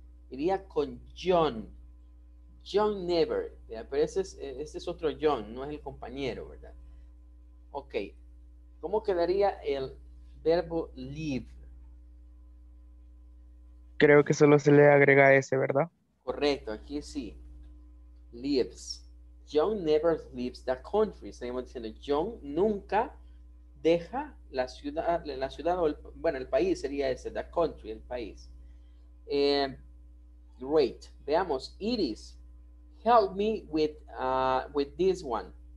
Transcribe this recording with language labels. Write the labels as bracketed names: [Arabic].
[Spanish] Iría con John. John Never. ¿Vea? Pero este es otro John, no es el compañero, ¿verdad? Ok. ¿Cómo quedaría el verbo live? Creo que solo se le agrega ese, ¿verdad? Correcto, aquí sí. Lives. [English] John never leaves the country. [Spanish] Seguimos diciendo, John nunca deja la ciudad, bueno, el país sería ese, [English] the country, [Spanish] el país. [English] Great. [Spanish] Veamos, [English] Iris, help me with this one.